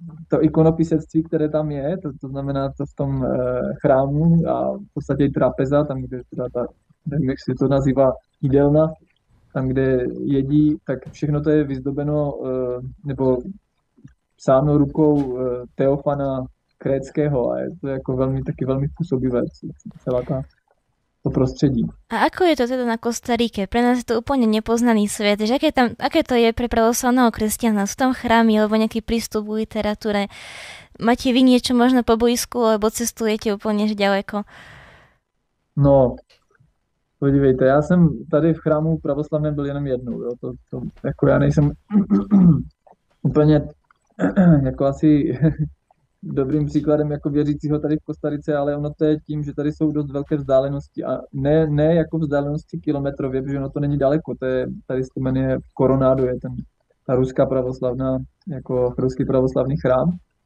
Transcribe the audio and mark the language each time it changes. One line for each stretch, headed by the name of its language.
Czech: to ikonopisectví, které tam je, to znamená to v tom chrámu a v podstatě i trapeza, tam kde teda ta, nevím, jak se to nazývá, jídelna, tam kde jedí, tak všechno to je vyzdobeno nebo psáno rukou Teofana Kréckého a je to jako velmi, taky velmi působivé, celá ta to prostředí.
Slovak: A ako je to teda na Kostaríke? Pre nás je to úplne nepoznaný svet. Že aké to je pre pravoslavného kresťana? Sú tam chrámy alebo nejaký prístup k literatúre? Máte vy niečo možno po bojisku alebo cestujete úplne ďaleko?
Czech: No, podívejte, já jsem tady v chrámu pravoslavném byl jenom jednou. Jo. To jako já nejsem úplně jako asi dobrým příkladem jako věřícího tady v Kostarice, ale ono to je tím, že tady jsou dost velké vzdálenosti a ne jako vzdálenosti kilometrově, protože ono to není daleko, to je, tady se jmenuje Koronádo, je ten, ta ruská pravoslavná, jako ruský pravoslavný chrám,